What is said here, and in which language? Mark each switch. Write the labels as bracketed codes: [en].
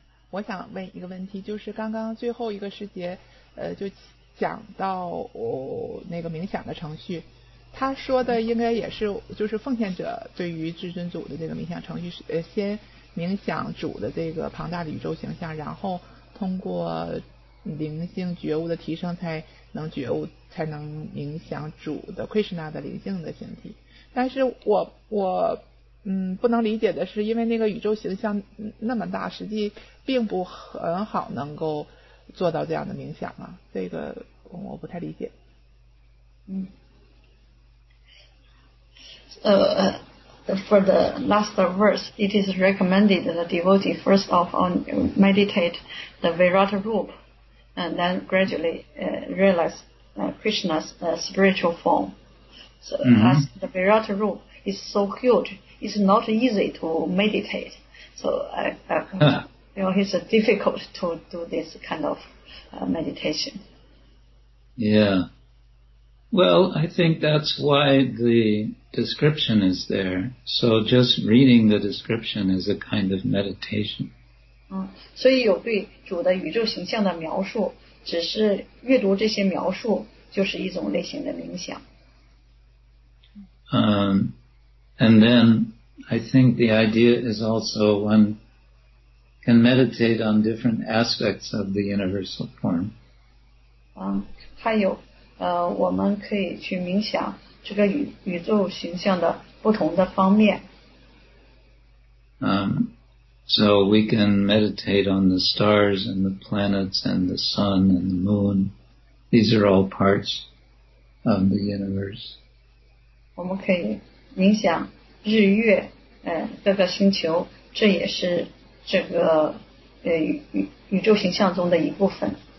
[zh] 我想问一个问题，就是刚刚最后一个时节就讲到那个冥想的程序，他说的应该也是就是奉献者对于至尊主的这个冥想程序，先冥想主的这个庞大的宇宙形象，然后通过灵性觉悟的提升才能觉悟，才能冥想主的 Krishna 的灵性的形体。但是我不能理解的是，因为那个宇宙形象那么大，实际并不很好能够做到这样的冥想啊，这个我不太理解。 [en] For the last verse, it is recommended that the devotee first of all meditate the Virata Rupa and then gradually realize Krishna's spiritual form. So as the Virata Rupa is so huge, it's not easy to meditate. So you know, it's difficult to do this kind of meditation. Yeah. Well, I think that's why the description is there. So just reading the description is a kind of meditation. [zh] 所以有对主的宇宙形象的描述，只是阅读这些描述就是一种类型的冥想。 [en] And then I think the idea is also one can meditate on different aspects of the universal form. [zh] 还有我们可以去冥想这个宇宙形象的不同的方面。 [en] So we can meditate on the stars and the planets and the sun and the moon. These are all parts of the universe. [zh] 我们可以冥想日月，各个星球，这也是这个宇宙形象中的一部分。